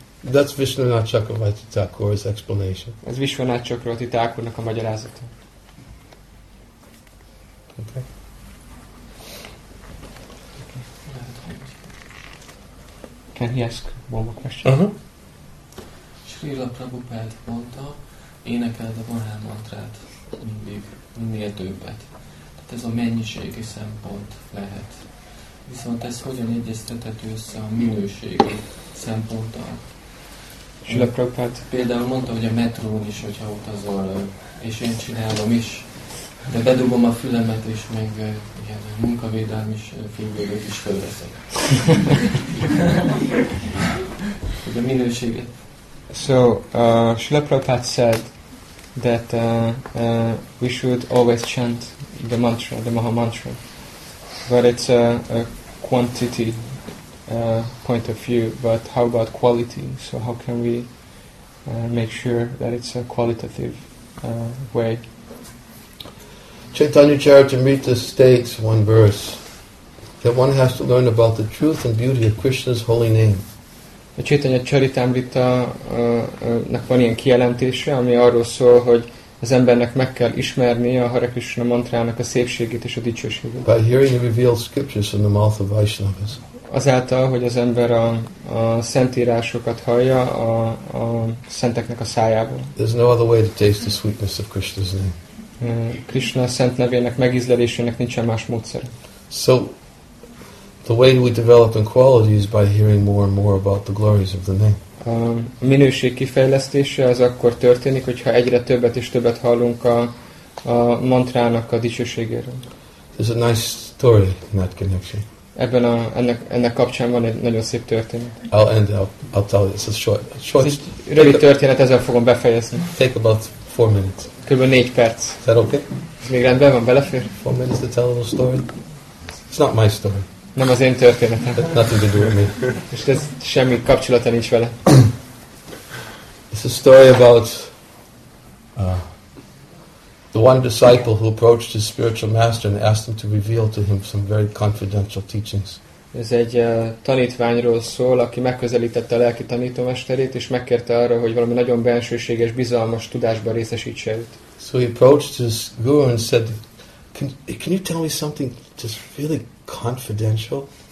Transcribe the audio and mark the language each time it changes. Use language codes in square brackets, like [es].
[en] That's Vishwanath Chakravarti Thakur's explanation. [hu] Ez Vishwanath Chakravarti Thakurnak a magyarázata. [en] Okay. Can he ask one more question? [hu] Srila Prabhupada mondta, énekeld a Vahán mantrát mindig, minél többet. Tehát ez a mennyiségi szempont lehet. Viszont ez hogyan egyeztethető össze a minőségi szemponttal? Srila Prabhupád például mondta, hogy a metrón is, hogyha utazol, és én csinálom is, de bedugom a fülemet, és meg ilyen munkavédelmi fényvédőt is fölveszek. Hogy a minőséget. [en] So, Srila Prabhupád said that we should always chant the mantra, the Maha Mantra. But it's a quantity point of view, but how about quality? So how can we make sure that it's a qualitative way? Chaitanya Charitamrita states one verse that one has to learn about the truth and beauty of Krishna's holy name. [hu] A Chaitanya Charitamrita-nak van ilyen kijelentése, ami arról szól, hogy az embernek meg kell ismerni a Hare Krishna mantrának a szépségét és a dicsőségét. [en] By hearing the revealed scriptures from the mouth of Vaishnavas. [hu] Azáltal, hogy az ember a szentírásokat hallja a szenteknek a szájából. [en] There's no other way to taste the sweetness of Krishna's name. [hu] Krishna szent nevének megízlelésének nincsen más módszer. [en] So, the way we develop in quality is by hearing more and more about the glories of the name. [hu] A minőség kifejlesztése az akkor történik, hogyha egyre többet és többet hallunk a mantrának a dicsőségéről. [en] There's a nice story in that connection. [hu] Ebben a ennek kapcsán van egy nagyon szép történet. [en] I'll tell you. It's a short story. [hu] Ez egy rövid történet, ezzel fogom befejezni. [en] Take about 4 minutes. [hu] Kb. 4 perc. [en] Is that okay? [hu] Ez még rendben van, belefér? [en] 4 minutes to tell a little story. It's not my story. [hu] Nem az én történetem. [en] Nothing to do with me. [hu] És ez semmi kapcsolata nincs vele. [en] It's a story about the one disciple who approached his spiritual master and asked him to reveal to him some very confidential teachings. [hu] Ez egy tanítványról szól, aki megközelítette a lelki tanítómesterét, és megkérte arra, hogy valami nagyon bensőséges, bizalmas tudásba részesítse őt. [en] So he approached his guru and said, can you tell me something just really confidential?